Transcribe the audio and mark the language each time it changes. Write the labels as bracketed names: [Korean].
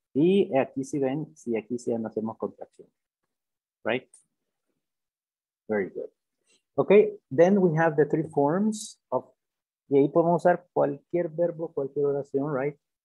[Spanish] Y aquí si ven, si aquí si no hacemos contracción. [English] Right? Very good. Okay, then we have the three forms of. [Spanish] Y ahí podemos usar cualquier verbo, cualquier oración, right?